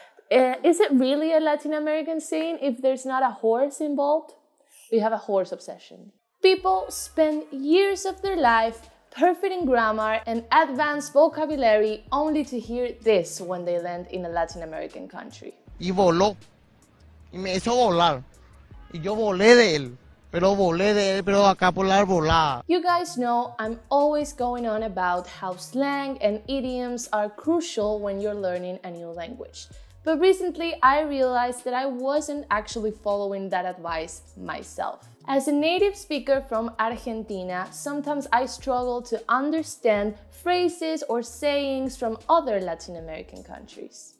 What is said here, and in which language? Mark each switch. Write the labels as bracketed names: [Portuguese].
[English] Is it really a Latin American saying if there's not a horse involved? We have a horse obsession. People spend years of their life perfecting grammar and advanced vocabulary only to hear this when they land in a Latin American country. [Spanish] Y voló. Y me hizo volar. Y yo volé de él. Pero volé de él, pero acá volar, volar. [English] You guys know I'm always going on about how slang and idioms are crucial when you're learning a new language. But recently I realized that I wasn't actually following that advice myself. As a native speaker from Argentina, sometimes I struggle to understand phrases or sayings from other Latin American countries.